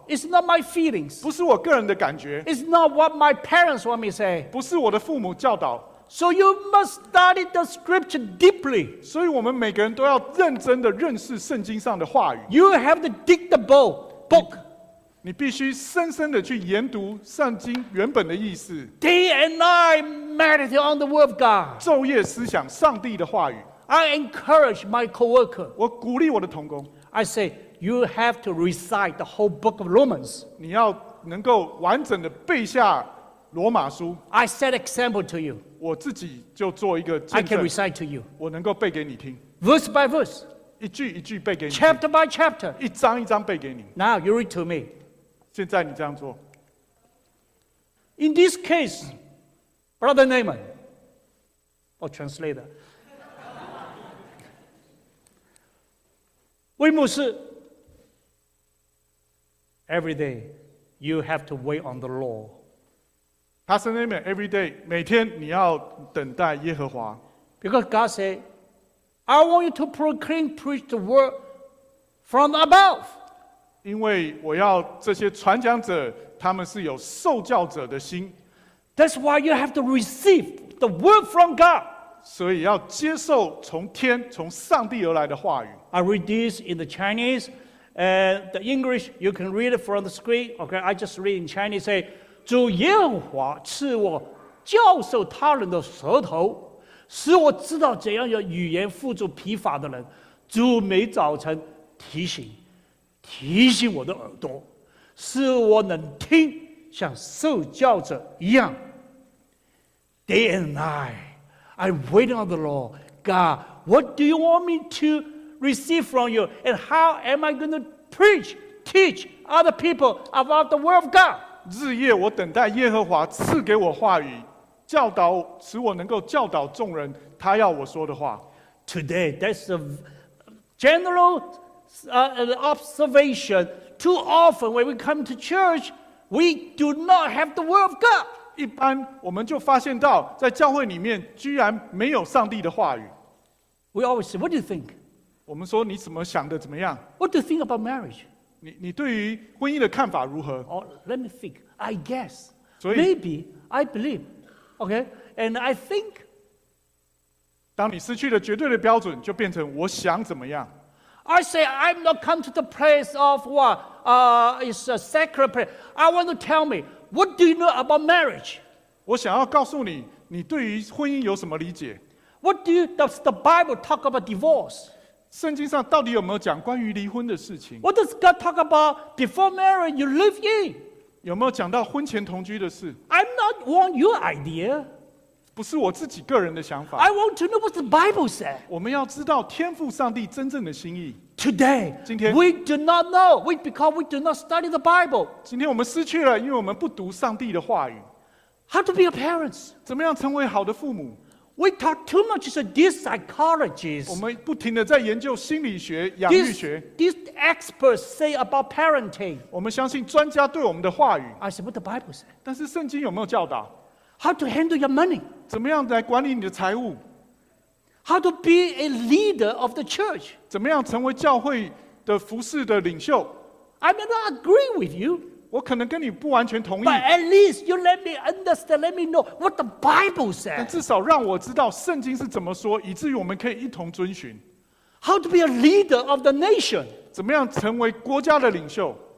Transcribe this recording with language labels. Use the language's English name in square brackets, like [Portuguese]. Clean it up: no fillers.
[English] It's not my feelings. [Chinese] 不是我个人的感觉。 [English] It's not what my parents want me to say. [Chinese] 不是我的父母教导。 [English] So you must study the scripture deeply. [Chinese] 所以我们每个人都要认真地认识圣经上的话语。 [English] You have to dig the book. [Chinese] 你必须深深地去研读圣经原本的意思。 [English] Day and night meditate on the word of God. [Chinese] 昼夜思想上帝的话语。 [English] I encourage my coworker. [Chinese] 我鼓励我的同工。 [English] I say,You have to recite the whole book of Romans. [Chinese] 你要能够完整的背下罗马书。 [English] I set example to you. [Chinese] 我自己就做一个见证。 [English] I can recite to you. [Chinese] 我能够背给你听。 [English] Verse by verse. [Chinese] 一句一句背给你。 [English] Chapter by chapter. [Chinese] 一章一章背给你。 [English] Now you read to me. [Chinese] 现在你这样做。 [English] In this case, Brother Naaman, or translator, Wei 牧师。 Every day, you have to wait on the Lord. Pastor Naaman, every day, [Chinese] 每天你要等待耶和华。 [English] Because God said, I want you to proclaim, preach the word from above. [Chinese] 因为我要这些传讲者他们是有受教者的心。 [English] That's why you have to receive the word from God. [Chinese] 所以要接受从天从上帝而来的话语。 [English] I read this in the Chinese and the English. You can read it from the screen. Okay, I just read in Chinese. [Chinese] Say, 主耶和华赐我教授他人的舌头，使我知道怎样用语言辅助疲乏的人。主每早晨提醒我的耳朵，使我能听。像受教者一样 [English] Day and night I'm waiting on the Lord God, what do you want me to receive from you? And how am I going to preach, teach other people about the word of God? [Chinese] 日夜我等待耶和华赐给我话语，教导使我能够教导众人他要我说的话。 [English] Today, that's a general observation. Too often when we come to churchWe do not have the word of God. [Chinese] 一般我们就发现到在教会里面居然没有上帝的话语。 [English] We always say, what do you think? [Chinese] 我们说你怎么想的怎么样？ [English] What do you think about marriage? [Chinese] 你对于婚姻的看法如何？ [English] Oh, let me think. I guess. Maybe, I believe. Okay, and I think. [Chinese] 当你失去了绝对的标准就变成我想怎么样。 [English] I say, I'm not come to the place of what? It's a sacred place. I want to tell me, what do you know about marriage? [Chinese] 我想要告诉你，你对于婚姻有什么理解？ [English] What does the Bible talk about divorce? [Chinese] 圣经上到底有没有讲关于离婚的事情？ [English] What does God talk about before marriage you live in? [Chinese] 有没有讲到婚前同居的事？ [English] I'm not want your idea. [Chinese] 不是我自己个人的想法。 [English] I want to know what the Bible said. [Chinese] 我们要知道天父上帝真正的心意。 [English] Today, [Chinese] 今天 [English] we do not know, because we do not study the Bible. [Chinese] 今天我们失去了，因为我们不读上帝的话语。 [English] How to be a parents? [Chinese] 怎么样成为好的父母？ [English] We talk too much about these psychologists. [Chinese] 我们不停的在研究心理学、养育学。 [English] These experts say about parenting. [Chinese] 我们相信专家对我们的话语。 [English] I said, what the Bible said. [Chinese] 但是圣经有没有教导？ [English] How to handle your money? [Chinese] 怎么样来管理你的财务？ [English] How to be a leader of the church? [Chinese] 怎么样成为教会的服事的领袖？ [English] I may not agree with you. [Chinese] 我可能跟你不完全同意。 [English] But at least you let me understand, let me know what the Bible says. [Chinese] 但至少让我知道圣经是怎么说，以至于我们可以一同遵循。 [English] How to be a leader of the nation? [Chinese] 怎么样成为国家的领袖？